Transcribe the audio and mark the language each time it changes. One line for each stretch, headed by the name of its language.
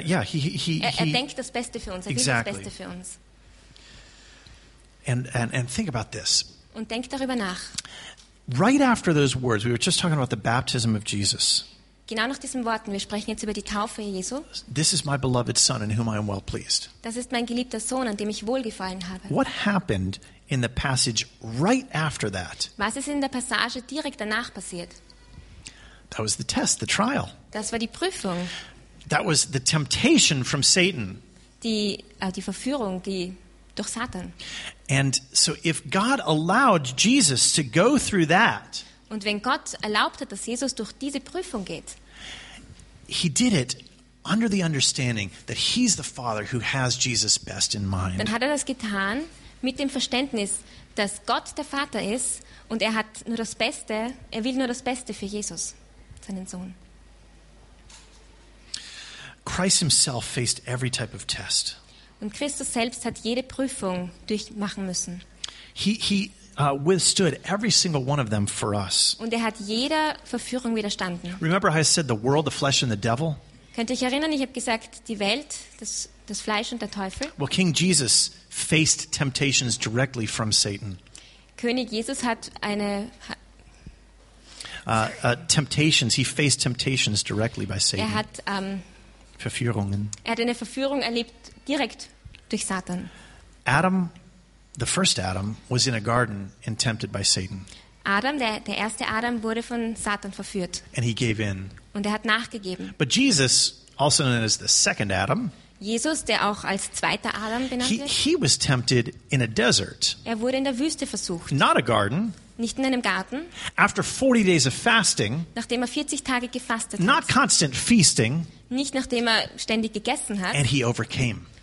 German: denkt das Beste für uns. Er will das Beste für uns.
English: And think about this.
German: Und denk darüber nach.
English: Right after those words, we were just talking about the baptism of Jesus.
German: Genau nach diesen Worten, wir sprechen jetzt über die Taufe Jesu.
English: This is my beloved son in whom I am well pleased.
German: Das ist mein geliebter Sohn, an dem ich wohlgefallen habe.
English: What happened in the passage right after that?
German: Was ist in der Passage direkt danach passiert?
English: That was the test, the trial.
German: Das war die Prüfung.
English: That was the temptation from Satan.
German: Die Verführung, die durch Satan.
English: And so if God allowed Jesus to go through that,
German: und wenn Gott erlaubt hat, dass Jesus durch diese Prüfung geht,
English: he did it under the understanding that he's the Father who has Jesus' best in mind.
German: Dann hat er das getan mit dem Verständnis, dass Gott der Vater ist und er hat nur das Beste, er will nur das Beste für Jesus, seinen Sohn.
English: Christ himself faced every type of test.
German: Und Christus selbst hat jede Prüfung durchmachen müssen.
English: He withstood every single one of them for us.
German: Und er hat jeder Verführung widerstanden.
English: Remember how I said the world, the flesh and the devil?
German: Könnt ihr euch erinnern, ich habe gesagt, die Welt, das Fleisch und der Teufel?
English: Well, King Jesus faced temptations directly from Satan.
German: König Jesus hat eine
English: temptations, he faced temptations directly by Satan.
German: Er hat Verführungen. Er hat eine Verführung erlebt direkt durch Satan.
English: Adam, the first Adam, was in a garden and tempted by Satan.
German: Adam, der erste Adam, wurde von Satan verführt.
English: And he gave in.
German: Und er hat nachgegeben.
English: But Jesus, also known as the second Adam,
German: Jesus, der auch als zweiter Adam benannt wird,
English: he was tempted in a desert.
German: Er wurde in der Wüste versucht.
English: Not a garden.
German: Nicht in einem Garten.
English: After 40 days of fasting.
German: Nachdem er 40 Tage gefastet hat.
English: Not constant feasting.
German: Nicht nachdem er ständig gegessen hat.
English: And he overcame.